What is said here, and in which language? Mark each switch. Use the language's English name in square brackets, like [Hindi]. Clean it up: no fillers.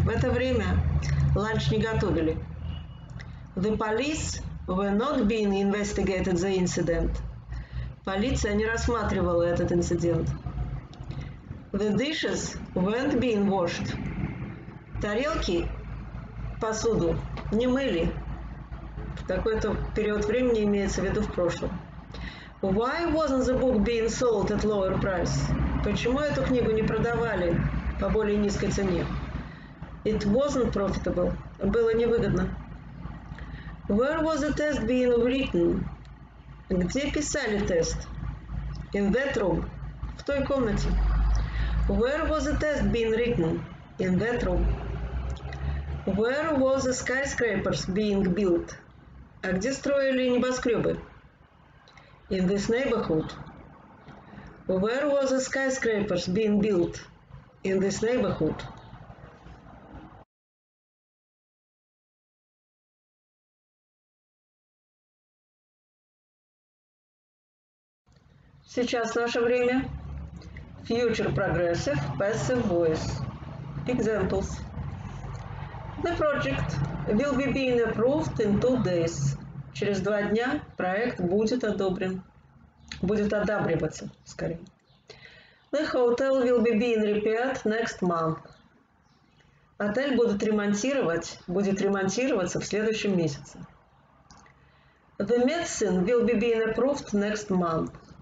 [Russian] В это время ланч не готовили. [English] The police were not being investigated the incident. [Russian] Полиция не рассматривала этот инцидент. [English] The dishes weren't being washed. [Russian] Тарелки, посуду не мыли. В такой-то период времени имеется в виду в прошлом. [English] Why wasn't the book being sold at lower price? [Russian] Почему эту книгу не продавали по более низкой цене? [English] It wasn't profitable. [Russian] Было невыгодно. [English] Where was the test being written? [Russian] Где писали тест? [English] In that room. [Russian] В той комнате. [English] Where was the test being written? In that room. Where was the skyscrapers being built? [Russian] А где строили небоскребы? [English] In this neighborhood. Where was the skyscrapers being built? In this neighborhood. [Russian] Сейчас наше время. Future Progressive Passive Voice. Examples. [English] The project will be being approved in 2 days. [Russian] Через 2 дня проект будет одобрен. будет одабриваться скорее. [English] The hotel will be being repaired next month. [Russian] Отель будет ремонтироваться в следующем месяце. [English] The medicine will be being approved next month.